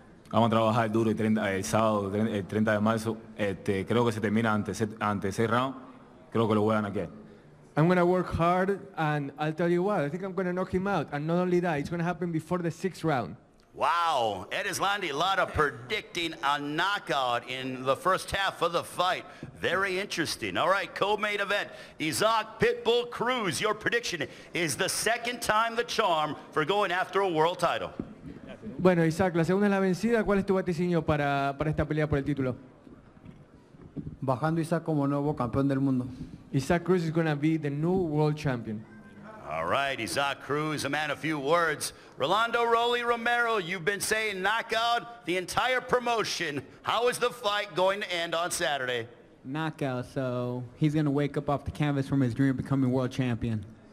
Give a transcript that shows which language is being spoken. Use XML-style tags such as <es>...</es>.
<es>Vamos a trabajar duro el sábado, el 30 de marzo. Creo que se termina antes seis rounds. Creo que lo voy a ganar.</es> <en>I'm going to work hard, and I'll tell you what, I think I'm going to knock him out. And not only that, it's going to happen before the sixth round. Wow. Edeslandi Ladam predicting a knockout in the first half of the fight. Very interesting. All right, co-main event, Isaac Pitbull Cruz. Your prediction is the second time the charm for going after a world title.</en> <es>Bueno, Isaac, la segunda es la vencida. ¿Cuál es tu vaticinio para esta pelea por el título? Bajando Isaac como nuevo campeón del mundo.</es> <en>Isaac Cruz is going to be the new world champion. All right, Isaac Cruz, a man of few words. Rolando Rolly Romero, you've been saying knockout the entire promotion. How is the fight going to end on Saturday? Knockout, so he's going to wake up off the canvas from his dream of becoming world champion.</en>